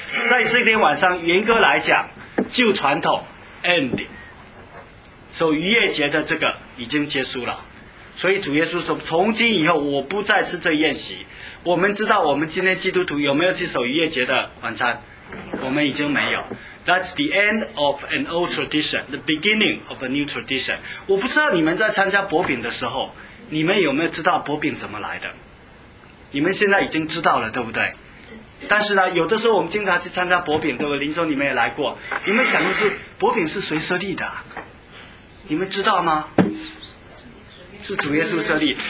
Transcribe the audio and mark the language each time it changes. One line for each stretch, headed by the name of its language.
Chinese: 在这天晚上，严格来讲，旧传统 ending， 所以逾越节的这个已经结束了。所以主耶稣说，从今以后我不再吃这宴席。我们知道我们今天基督徒有没有去守逾越节的晚餐？我们已经没有。
English: That's the end of an old tradition, the beginning of a new tradition。
Chinese: 我不知道你们在参加薄饼的时候，你们有没有知道薄饼怎么来的？你们现在已经知道了，对不对？但是呢，有的时候我们经常去参加薄饼，对不对？林总你们也来过，你们想的是薄饼是谁设立的？你们知道吗？是主耶稣设立。